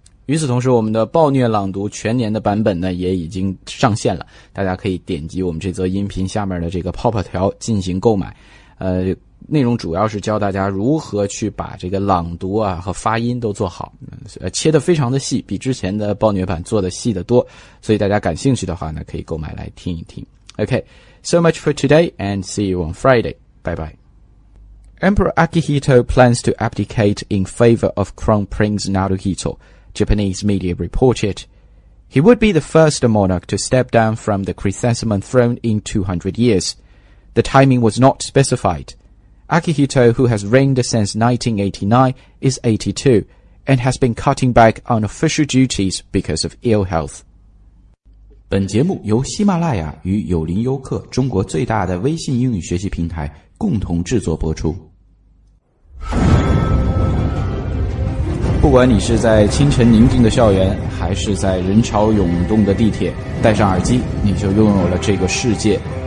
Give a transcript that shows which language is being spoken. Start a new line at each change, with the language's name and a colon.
Chinese: 与此同时，我们的暴虐朗读全年的版本呢也已经上线了，大家可以点击我们这则音频下面的这个泡泡条进行购买。内容主要是教大家如何去把这个朗读啊和发音都做好，切得非常的细，比之前的暴虐版做的细得多，所以大家感兴趣的话呢可以购买来听一听。
English: OK, so much for today and see you on Friday. Bye bye. Emperor Akihito plans to abdicate in favor of Crown Prince Naruhito. Japanese media reported. He would be the first monarch to step down from the chrysanthemum throne in 200 years. The timing was not specified. Akihito, who has reigned since 1989, is 82 and has been cutting back on official duties because of ill health.
Chinese: 本节目由喜马拉雅与有林优客中国最大的微信英语学习平台共同制作播出。不管你是在清晨宁静的校园，还是在人潮涌动的地铁，戴上耳机，你就拥有了这个世界。